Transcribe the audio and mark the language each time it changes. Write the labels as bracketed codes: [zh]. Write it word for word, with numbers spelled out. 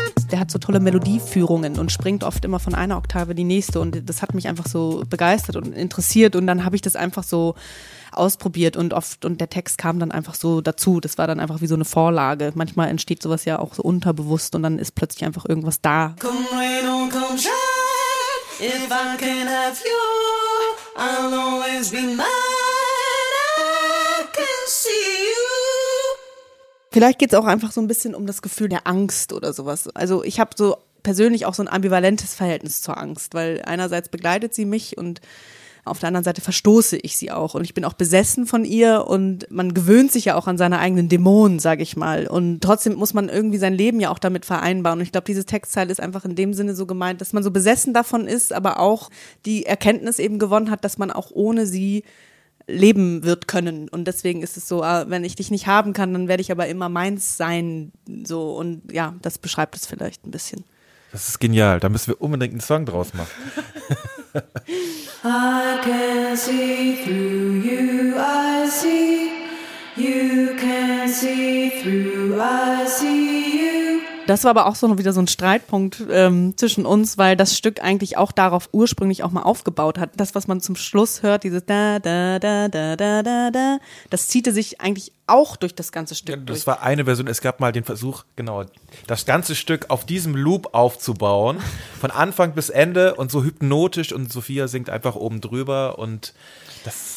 [de] Der hat so tolle Melodieführungen und springt oft immer von einer Oktave die nächste, und das hat mich einfach so begeistert und interessiert, und dann habe ich das einfach so ausprobiert und oft, und der Text kam dann einfach so dazu, das war dann einfach wie so eine Vorlage. Manchmal entsteht sowas ja auch so unterbewusst und dann ist plötzlich einfach irgendwas da. [en] Come rain or come shine, if I can have you, I'll always be mine, I can see you. [de] Vielleicht geht es auch einfach so ein bisschen um das Gefühl der Angst oder sowas. Also ich habe so persönlich auch so ein ambivalentes Verhältnis zur Angst, weil einerseits begleitet sie mich und auf der anderen Seite verstoße ich sie auch, und ich bin auch besessen von ihr, und man gewöhnt sich ja auch an seine eigenen Dämonen, sage ich mal, und trotzdem muss man irgendwie sein Leben ja auch damit vereinbaren, und ich glaube, dieses Textteil ist einfach in dem Sinne so gemeint, dass man so besessen davon ist, aber auch die Erkenntnis eben gewonnen hat, dass man auch ohne sie leben wird können, und deswegen ist es so, wenn ich dich nicht haben kann, dann werde ich aber immer meins sein, so, und ja, das beschreibt es vielleicht ein bisschen. Das ist genial, da müssen wir unbedingt einen Song draus machen. [en] I can see through you, I see. You can see through, I see you. [de] Das war aber auch so wieder so ein Streitpunkt ähm, zwischen uns, weil das Stück eigentlich auch darauf ursprünglich auch mal aufgebaut hat. Das, was man zum Schluss hört, dieses da, da, da, da, da, da, da, das ziehte sich eigentlich auch durch das ganze Stück das durch. Das war eine Version, es gab mal den Versuch, genau, das ganze Stück auf diesem Loop aufzubauen, von Anfang bis Ende und so hypnotisch und Sophia singt einfach oben drüber und das